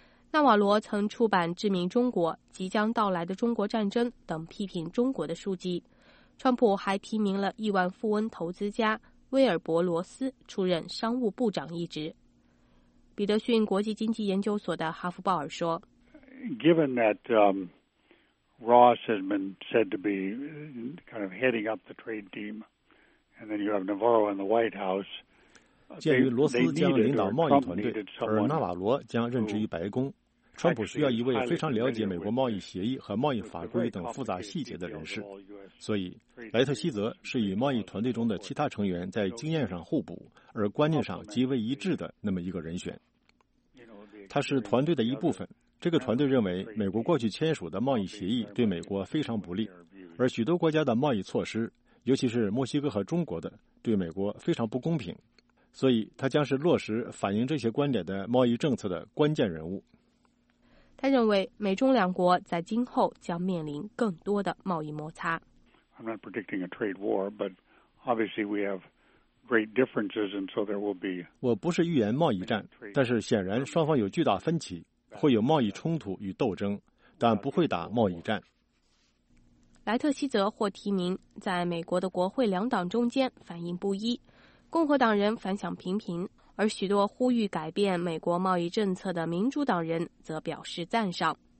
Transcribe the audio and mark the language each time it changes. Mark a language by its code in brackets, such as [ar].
[zh] 纳瓦罗曾出版《致命中国》《即将到来的中国战争》等批评中国的书籍。川普还提名了亿万富翁投资家威尔伯·罗斯出任商务部长一职。彼得逊国际经济研究所的哈夫鲍尔说， [en] Given that Ross has been said to be kind of heading up the trade team, and then you have Navarro in the White House, [zh] 鉴于罗斯将领导贸易团队，而纳瓦罗将任职于白宫，川普需要一位非常了解美国贸易协议和贸易法规等复杂细节的人士，所以莱特希泽是与贸易团队中的其他成员在经验上互补，而观念上极为一致的那么一个人选。他是团队的一部分。这个团队认为，美国过去签署的贸易协议对美国非常不利，而许多国家的贸易措施，尤其是墨西哥和中国的，对美国非常不公平。所以，他将是落实反映这些观点的贸易政策的关键人物。他认为，美中两国在今后将面临更多的贸易摩擦。 [en] I'm not predicting a trade war, but obviously we have great differences, and so there will be. [zh] 我不是预言贸易战，但是显然双方有巨大分歧。会有贸易冲突与斗争，但不会打贸易战。莱特希泽获提名，在美国的国会两党中间反应不一，共和党人反响频频，而许多呼吁改变美国贸易政策的民主党人则表示赞赏。